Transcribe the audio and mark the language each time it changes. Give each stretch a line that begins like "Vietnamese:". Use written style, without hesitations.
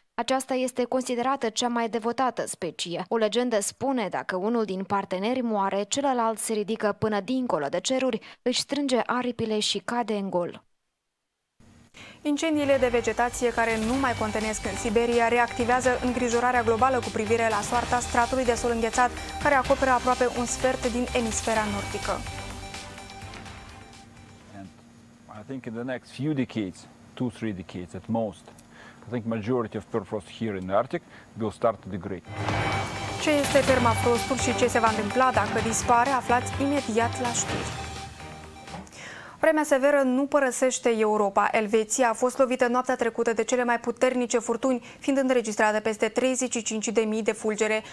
Romanian: Aceasta este considerată cea mai devotată specie. O legendă spune, dacă unul din parteneri moare, celălalt se ridică până dincolo de ceruri, își strânge aripile și cade în gol. Incendiile de vegetație care nu mai contenesc în Siberia reactivează îngrijorarea globală cu privire la soarta stratului de sol înghețat, care acoperă aproape un sfert din emisfera nordică.
English: And I think in the next few decades, 2-3 decades at most, I think majority of permafrost here in the Arctic will start to degrade.
Romanian: Ce este permafrostul și ce se va întâmpla dacă dispare, aflați imediat la știri. Vremea severă nu părăsește Europa. Elveția a fost lovită noaptea trecută de cele mai puternice furtuni, fiind înregistrată peste 35.000 de fulgere.